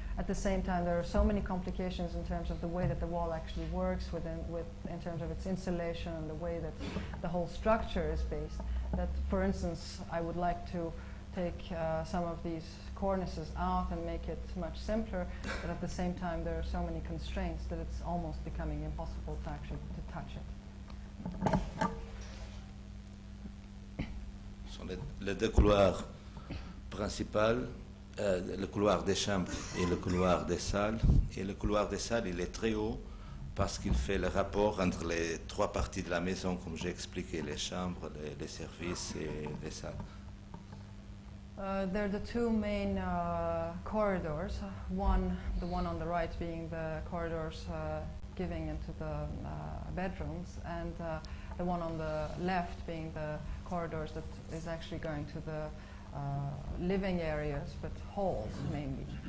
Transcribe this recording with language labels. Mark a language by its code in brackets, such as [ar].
[en] At the same time, there are so many complications in terms of the way that the wall actually works in terms of its insulation and the way that the whole structure is based, that, for instance, I would like to take some of these cornices out and make it much simpler, but at the same time, there are so many constraints that it's almost becoming impossible to actually to touch it. [fr] Ce sont les deux couloirs principaux, le couloir des chambres et le couloir des salles. Et le couloir des salles, il est très haut parce qu'il fait le rapport entre les trois parties de la maison, comme j'ai expliqué, les chambres, les services et les salles. [en] There are the two main corridors, one, the one on the right being the corridors giving into the bedrooms, and the one on the left being the corridors that is actually going to the living areas, but halls mainly.